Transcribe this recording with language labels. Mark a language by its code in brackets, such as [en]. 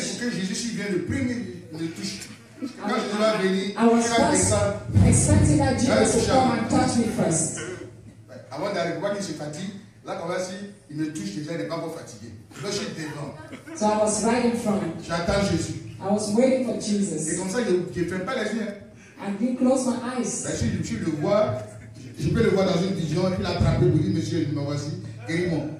[fr] C'est que Jésus vient le premier, le touche. Quand je dois venir, [en] I was first expecting that Jesus would come and touch me first. [fr] Avant d'arriver, quand il se fatigue, là, quand on va dire, il me touche déjà, il n'est pas encore fatigué. Là, je suis devant. [en] So I was right in front. [fr] J'attends Jésus. [en] I was waiting for Jesus. [fr] Et comme ça, je ne ferme pas les yeux. [en] I didn't close my eyes. [fr] Ben, si tu le vois, je peux le voir dans une vision, il l'attrape pour dire, monsieur, je me voici, guéris-moi.